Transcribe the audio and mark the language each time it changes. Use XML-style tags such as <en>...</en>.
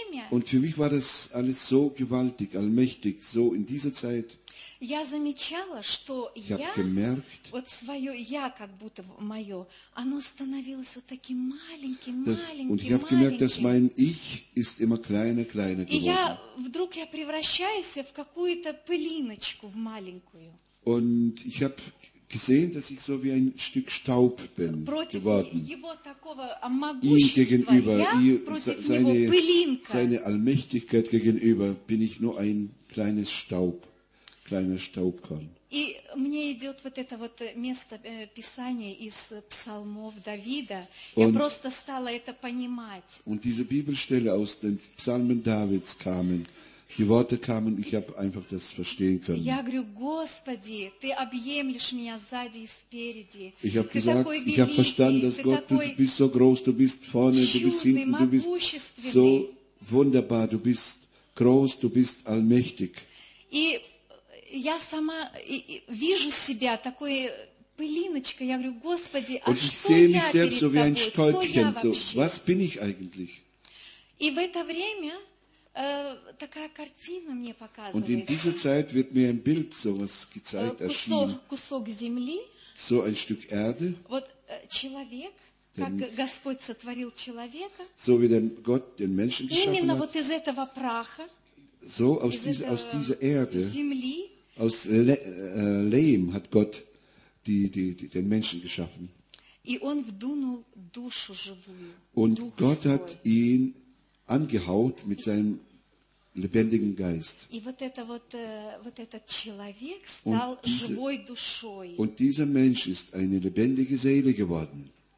<de>Und für mich war das alles so gewaltig, allmächtig, so in dieser Zeit.</de> <ru>Я замечала, что вот свое «я», как будто мое, оно становилось вот таким маленьким, маленьким. И я вдруг я превращаюсь в какую-то пылиночку, в маленькую.</ru> <de>Und ich hab gesehen, dass ich so wie ein Stück Staub bin</de> <ru>против</ru> <de>geworden.</de> <ru>Его такого могущества, я против него пылинка.</ru> <de>Seine Allmächtigkeit gegenüber bin ich nur ein kleines Staub. Kleiner Staubkorn.</de> <ru>И мне идет вот это вот место Писания из Псалмов Давида. Я просто стала это понимать.</ru> <de>Und diese Bibelstelle aus den Psalmen Davids kamen. Die Worte kamen, ich habe einfach das verstehen können.</de> <ru>Я говорю, Господи, ты объемлешь меня сзади и спереди.</ru> <de>Ich habe gesagt, ich habe verstanden, dass Gott, du bist so groß, du bist vorne, du bist hinten, du bist so wunderbar, du bist groß, du bist allmächtig.</de> <ru>И я сама вижу себя такой пылиночка, я говорю, Господи, а</ru> <de>und ich</de> <ru>что</ru> <de>sehe</de> <ru>я</ru> <de>mich selbst so wie ein</de> <ru>тобой?</ru> <de>Stäubchen, so, was bin ich eigentlich?</de> <ru>И в это время такая картина мне показывается.</ru> <de>Und in dieser Zeit wird mir ein Bild sowas gezeigt, erschienen.</de> <ru>Кусок земли,</ru> <de>so ein Stück Erde,</de> <ru>вот человек, как Господь сотворил человека,</ru> <de>so wie der Gott den Menschen geschaffen</de> <ru>именно</ru> <de>hat,</de> <ru>вот из этого праха,</ru> <de>so aus, diese, aus dieser Erde,</de> <ru>земли,</ru> <de>aus Lehm hat Gott den Menschen geschaffen.</de> <ru>И он вдунул душу живую,</ru> <de>und</de> <ru>Дух</ru> <de>Gott</de> <ru>свой.</ru> <de>Hat ihn angehaut mit seinem lebendigen Geist.</de> <ru>И вот это вот, вот этот человек стал живой душой.</ru> <de>Und dieser Mensch ist eine lebendige Seele geworden.</de>